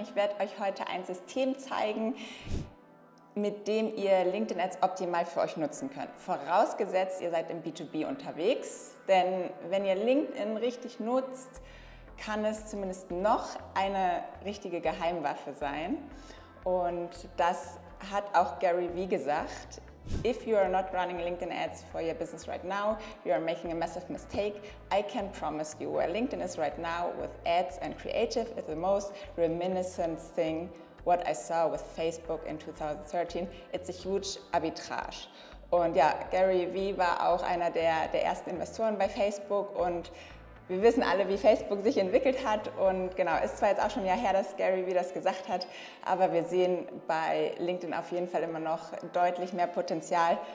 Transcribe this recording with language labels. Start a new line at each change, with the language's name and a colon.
German: Ich werde euch heute ein System zeigen, mit dem ihr LinkedIn Ads optimal für euch nutzen könnt. Vorausgesetzt, ihr seid im B2B unterwegs, denn wenn ihr LinkedIn richtig nutzt, kann es zumindest noch eine richtige Geheimwaffe sein. Und das hat auch Gary Vee gesagt.
English: If you are not running LinkedIn Ads for your business right now, you are making a massive mistake. I can promise you where LinkedIn is right now with ads and creative is the most reminiscent thing what I saw with Facebook in 2013. It's a huge arbitrage.
German: Und ja, Gary Vee war auch einer der ersten Investoren bei Facebook und wir wissen alle, wie Facebook sich entwickelt hat und genau, ist zwar jetzt auch schon ein Jahr her, dass Gary Vee das gesagt hat, aber wir sehen bei LinkedIn auf jeden Fall immer noch deutlich mehr Potenzial.